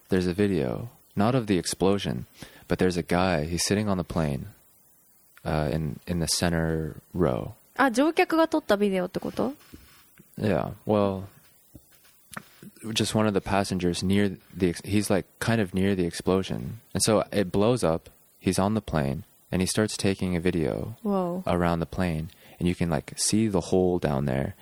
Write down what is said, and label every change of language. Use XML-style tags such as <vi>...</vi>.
<en>There's a video. Not of the explosion, but there's a guy. He's sitting on the plane. in the center row.</en> <ja>あ、乗客が撮ったビデオってこと?</ja> <en>Yeah, well, just one of the passengers near the, he's like kind of near the explosion. And so it blows up, he's on the plane, and he starts taking a video around the plane. And you can like see the hole down there.</en>